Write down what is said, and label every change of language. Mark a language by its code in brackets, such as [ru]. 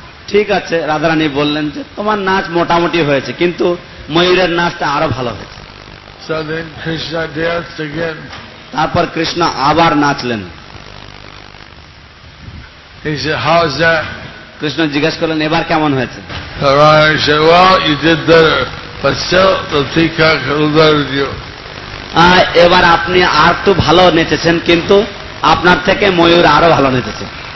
[bn] ঠিক আছে, রাধারানী বললেন যে তোমার নাচ মোটামুটি হয়েছে, কিন্তু ময়ূরের নাচটা আরো ভালো হয়েছে. [en] So then Krishna danced again. [bn] তারপর কৃষ্ণ আবার নাচলেন. [en] He said, "How is that?" [bn] Krishna জিজ্ঞেস করলেন, এবার কেমন হয়েছে? [en] Radharani said, "Well, you did better. But still, the peacock loved you." [bn] এবার আপনি আর তো ভালো নেচেছেন, কিন্তু আপনার থেকে ময়ূর আরো ভালো নেচেছে.